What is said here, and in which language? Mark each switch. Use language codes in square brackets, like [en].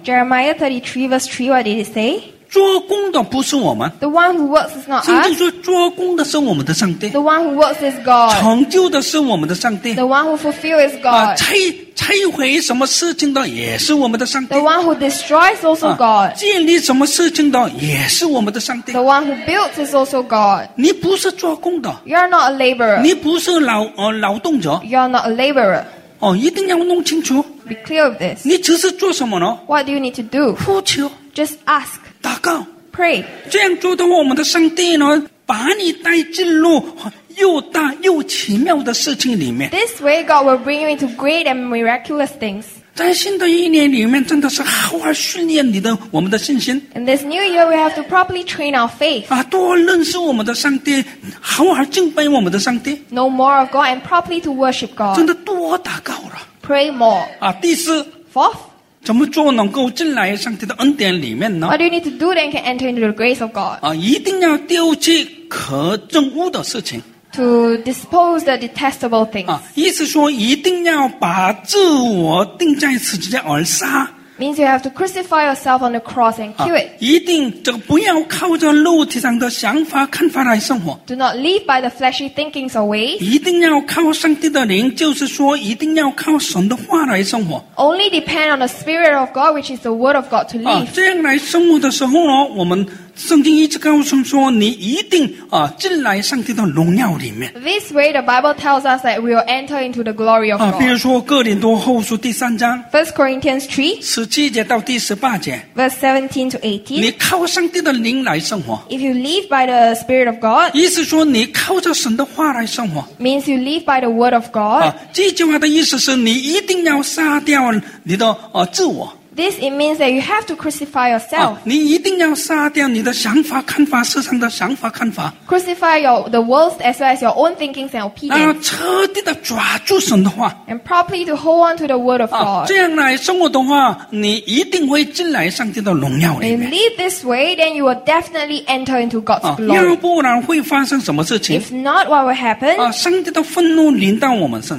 [en] Jeremiah 33 verse 3 what did it say? [zh] 做工的不是我们 [en] The one who works is not us. [zh] 圣经说做工的是我们的上帝 [en] The one who works is God. [zh] 成就的是我们的上帝 [en] The one who fulfills is God. [zh] 拆毁什么事情的也是我们的上帝 [en] The one who destroys also God [zh] 建立什么事情的也是我们的上帝 [en] The one who builds is also God [zh] 你不是做工的 [en] You are not a laborer [zh] 你不是劳动者 [en] You are not a laborer [zh] 一定要弄清楚 [en] Be clear of this [zh] 你只是做什么呢 [en] What do you need to do [zh] 呼求 [en] Just ask [zh] 祷告 [en] Pray [zh] 这样做的话我们的上帝呢把你带进入又大又奇妙的事情里面。 [en] This way, God will bring you into great and miraculous things. [zh] 在新的一年里面，真的是好好训练我们的信心。 [en] In this new year, we have to properly train our faith. [zh] 多认识我们的上帝，好好敬拜我们的上帝。 [en] Know more of God and properly to worship God. [zh] 真的多祷告了。 [en] Pray more. [zh] 第四。 [en] Fourth. [zh] 怎么做能够进来上帝的恩典里面呢？ [en] What do you need to do then can enter into the grace of God? [zh] 一定要丢弃可憎恶的事情。 [en] To dispose the detestable things. [zh] 意思说一定要把自我钉在十字架而杀。 [en] Means you have to crucify yourself on the cross and kill it. [zh] 一定这个不要靠着肉体上的想法看法来生活。 [en] Do not live by the fleshy thinkings or ways. [zh] 一定要靠上帝的灵，就是说一定要靠神的话来生活。 [en] Only depend on the spirit of God, which is the word of God to live. [zh] 这样来生活的时候呢，我们。圣经一直告诉我们说，你一定进来上帝的荣耀里面。 [en] This way, the Bible tells us that we will enter into the glory of God. [zh] 比如说哥林多后书第三章 [en] ，First Corinthians 3, [zh] 十七节到第十八节 [en] ，Verse 17 to 18. [zh] 你靠上帝的灵来生活。 [en] If you live by the Spirit of God, [zh] 意思说你靠着神的话来生活。 [en] Means you live by the Word of God. [zh] 这句话的意思是你一定要杀掉你的自我。 [en] This it means that you have to crucify yourself. [zh] 你一定要杀掉你的想法、看法、世上的想法、看法。 [en] Crucify the world as well as your own thinking and opinions. [zh] 然后彻底的抓住神的话。 [en] And properly to hold on to the word of God. [zh] 这样来生活的话，你一定会进来上帝的荣耀里面。 [en] And live this way, then you will definitely enter into God's glory. [zh] 要不然会发生什么事情 [en] ？If not, what will happen? [zh] 上帝的愤怒临到我们身上。